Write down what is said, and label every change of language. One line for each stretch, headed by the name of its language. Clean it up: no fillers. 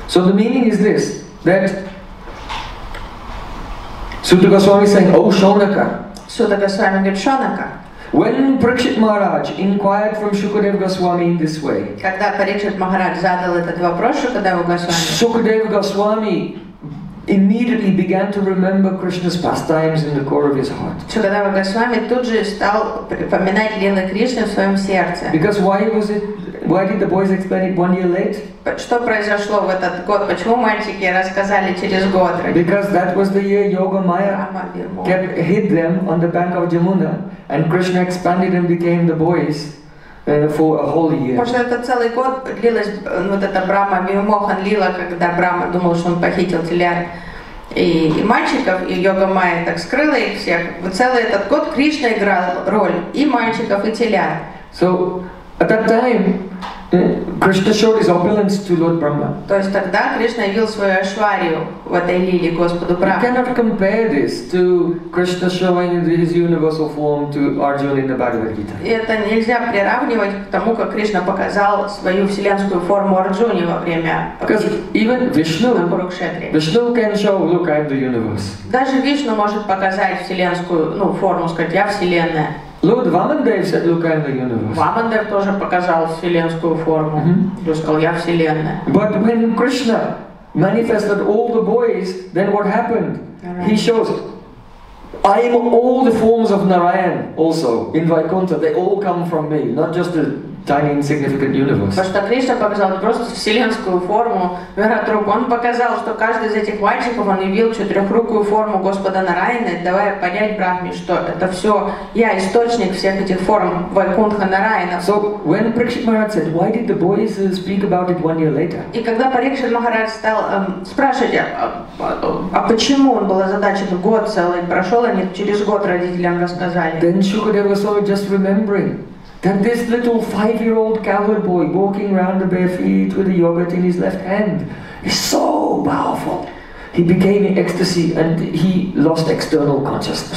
English: So the meaning is this, that Suta Goswami is saying, oh Shonaka. Suta Goswami said, Shonaka. When Prakshit Maharaj inquired from Shukadeva Goswami in this way,
Russian: когда Парикшит Махарадж задал этот вопрос Шукадеву Госвами,
English: Shukadeva Goswami immediately began to remember Krishna's pastimes in the core of his heart.
Russian: Шукадева Госвами тут же стал вспоминать лилы Кришны в своем сердце.
English: Because why was it? Why did the boys explain it one year late?
Russian: Что произошло в этот год? Почему мальчики рассказали через год?
English: Because that was the year Yoga Maya kept hid them on the bank of Jamuna, and Krishna expanded and became the boys for a whole year.
Russian: Потому что это целый год длилась вот эта Брама Миумохан Лила, когда Брама думал, что он похитил теля и мальчиков, и Йога Майя так скрыла их всех. Вот целый этот год Кришна играл роль и мальчиков, и теля.
English: So at that time, Krishna showed his opulence to Lord Brahma.
Russian: То есть тогда Кришна явил свою ашварию в этой лиле Господу Брахме.
English: You cannot compare this to Krishna showing his universal form to Arjuna in the Bhagavad Gita.
Russian: И это нельзя приравнивать к тому, как Кришна показал свою вселенскую форму Арджуне во время.
English: Because even Vishnu can show, look, I'm the universe.
Russian: Даже Вишну может показать вселенскую, ну, форму, сказать, я вселенная.
English: Lord Vamandev said, "Look, I am the universe."
Russian: Vamandev тоже показал вселенскую форму. Он сказал, "Я вселенная."
English: But when Krishna manifested all the boys, then what happened? He shows, "I am all the forms of Narayan also in Vaikuntha. They all come from me, not just a tiny insignificant universe."
Russian: Потому что Кришна показал просто вселенскую форму Вератрук. Он показал, что каждый из этих мальчиков он явил четырехрукую форму Господа Нараяны, давая понять Брахме, что это все я источник всех этих форм Вайкунтха Нараяна.
English: So when Prakshit Maharaj said, why did the boys speak about it one year later?
Russian: И когда Парикшит Махарадж стал спрашивать, а почему он был озадачен год целый прошел, они через год родителям рассказали.
English: Then Shukadeva Goswami just remembering that this little five-year-old coward boy walking around the bare feet with a yogurt in his left hand is so powerful. He became in ecstasy and he lost external consciousness.